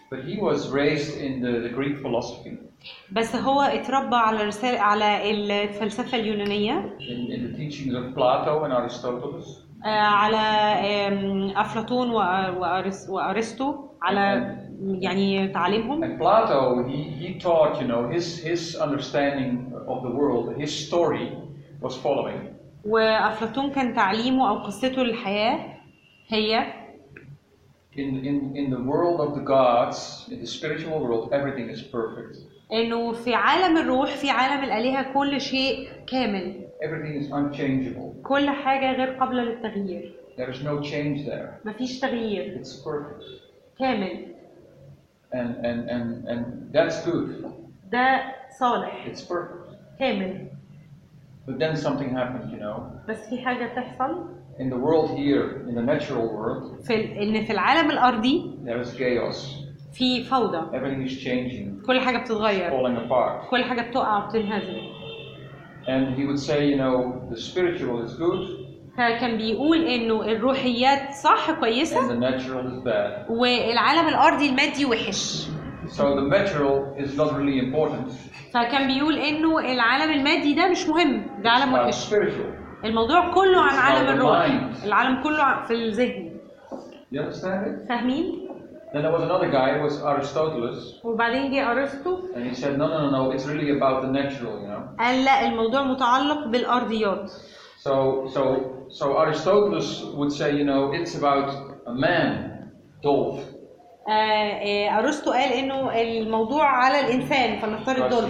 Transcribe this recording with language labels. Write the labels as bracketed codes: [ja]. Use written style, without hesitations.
[en] But he was raised in the Greek philosophy. [ar] بس هو اتربى على رسالة على الفلسفة اليونانية. [en] In the teachings of Plato and Aristotle. [ar] على أفلاطون وأرسطو على يعني تعليمهم. [en] And Plato he taught, you know, his understanding of the world, his story was following. [ar] وأفلاطون كان تعليمه أو قصته للحياة هي [en] in the world of the gods, in the spiritual world, everything is perfect. [ar] إنه في عالم الروح في عالم الآلهة كل شيء كامل. [en] Everything is unchangeable. [ar] كل حاجة غير قابلة للتغيير. [en] There is no change there. [ar] مفيش تغيير. [en] It's perfect. [ar] كامل. [en] And that's good. [ar] ده صالح. [en] It's perfect. [ar] كامل. [en] But then something happened, you know. [ar] بس في حاجة تحصل. [en] In the world here, in the natural world. [ar] في العالم الأرضي. [en] There is chaos. [ar] في فوضى. [en] Everything is changing. [ar] كل حاجة بتتغير. [en] It's falling apart. [ar] كل حاجة بتقع وبتنهزم. [en] And he would say, you know, the spiritual is good. [ar] فكان بيقول إنه الروحيات صح كويسة. [en] And the natural is bad. [ar] والعالم الأرضي المادي وحش. [en] So the material is not really important. [ar] فكان بيقول إنه العالم المادي ده مش مهم. ده عالم وحش. [en] Spiritual. [ar] الموضوع كله عن عالم الروح. العالم كله في الذهن. [en] You understand it? [ar] فاهمين؟ [en] Then there was another guy who was Aristotelus. [ar] وبعدين جه أرسطو. [en] And he said, no, it's really about the natural, you know. [ar] قال لا الموضوع متعلق بالأرضيات. [en] So Aristotelus would say, you know, it's about a man, dolph. [ar] أرسطو قال إنه الموضوع على الإنسان فنفترض دولف.